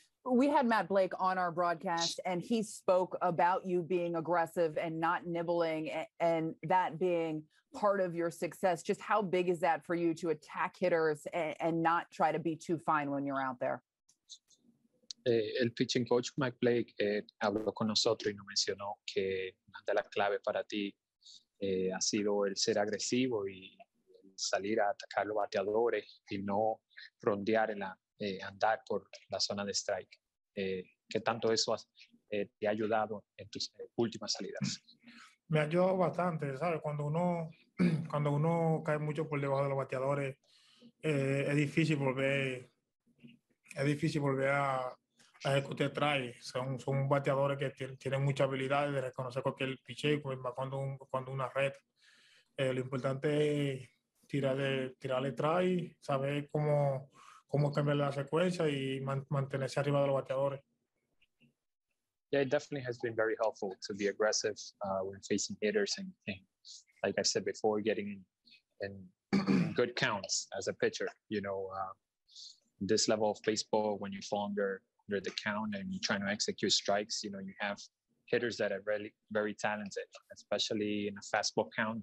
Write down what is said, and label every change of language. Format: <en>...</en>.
<en>We had Matt Blake on our broadcast, and he spoke about you being aggressive and not nibbling, and that being part of your success. Just how big is that for you to attack hitters and not try to be too fine when you're out there?</en> <es>El pitching coach Mike Blake habló con nosotros y nos mencionó que una de las claves para ti ha sido el ser agresivo y salir a atacar los bateadores y no rondear en la andar por la zona de strike. ¿Qué tanto eso te ha ayudado en tus últimas salidas? Me ha ayudado bastante, ¿sabes? Cuando uno cae mucho por debajo de los bateadores, es difícil volver a ejecutar strike. Son bateadores que tienen mucha habilidad de reconocer cualquier piche, pues, cuando una red. Lo importante es tirarle strike, saber cómo cambiar la secuencia y mantenerse arriba de los bateadores.</es> <en>Yeah, it definitely has been very helpful to be aggressive when facing hitters and like I said before, getting in good counts as a pitcher. You know, this level of baseball, when you fall under the count and you're trying to execute strikes, you know, you have hitters that are really very talented, especially in a fastball count.</en>